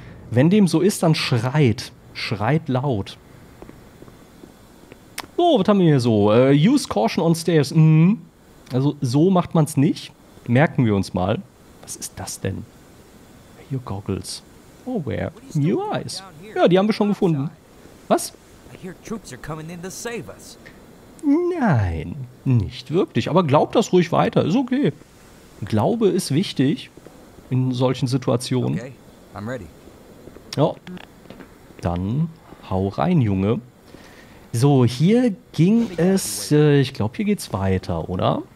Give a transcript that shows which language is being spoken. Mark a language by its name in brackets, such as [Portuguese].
[German] Wenn dem so ist, dann schreit. Schreit laut. So, was haben wir hier so? [English] Use caution on stairs. [German] Also so macht man es nicht. Merken wir uns mal. Was ist das denn? [English] Your goggles. Oh, where? New eyes. [German] Ja, die haben wir schon gefunden. Was? [English] I hear troops are coming in to save us. [German] Nein, nicht wirklich. Aber glaub das ruhig weiter. Ist okay. Glaube ist wichtig in solchen Situationen. [English] Okay, I'm ready. [German] Ja. Dann hau rein, Junge. So, hier ging es... ich glaube, hier geht's weiter, oder?